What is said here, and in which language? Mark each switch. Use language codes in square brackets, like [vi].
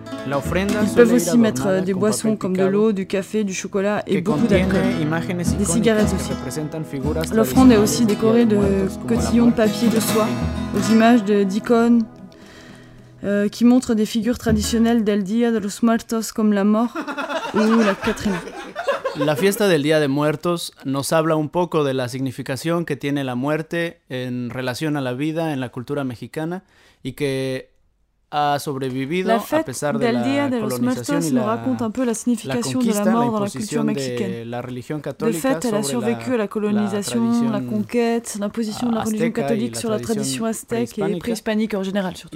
[fr] Ils peuvent aussi mettre des boissons comme de l'eau, du café, du chocolat et beaucoup d'alcool, des cigarettes aussi. L'offrande est aussi décorée de cotillons de papier de soie, aux images d'icônes qui montrent des figures traditionnelles del Día de los Muertos comme la mort ou la Catrina. [es] La fiesta del Día de Muertos nos habla un poco de la significación que tiene la muerte en relación a la vida en la cultura mexicana y que ha sobrevivido a pesar de la colonización y la conquista, [fr] nos raconte un peu la significación de la mort dans la culture mexicaine. [es] La religión católica, [fr] de fait, elle a survécu à la colonisation, la conquête, l'imposition de la religion catholique sur la tradition aztèque et préhispanique en général surtout.